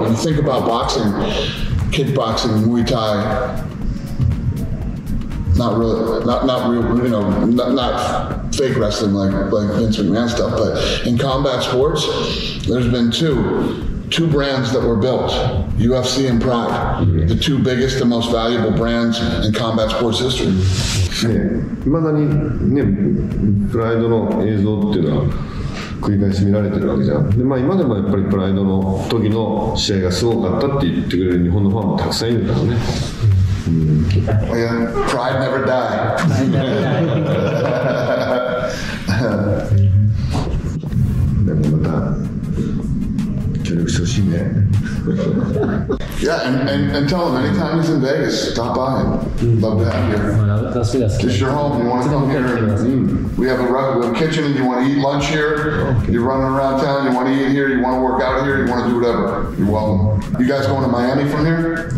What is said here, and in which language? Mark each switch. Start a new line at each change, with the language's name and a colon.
English: When you think about boxing, kickboxing, Muay Thai, not fake wrestling like Vince McMahon stuff, but in combat sports, there's been two brands that were built, UFC and Pride, the two biggest and most valuable brands in combat sports history.
Japanese: いまだにね、プライドの映像っていうのは繰り返し見られてるわけじゃん。で、まあ、今でもやっぱりプライドの時の試合がすごかったって言ってくれる日本のファンもたくさんいるからね。
English: プライド never died。
Japanese: でもまた協力してほしいね。
English: Yeah, and tell him anytime he's in Vegas, stop by. Love to have you. This is your home. You want to come here? We have a kitchen, and you want to eat lunch here? You're running around town, you want to eat here, you want to work out here, you want to do whatever. You're welcome. You guys going to Miami from here?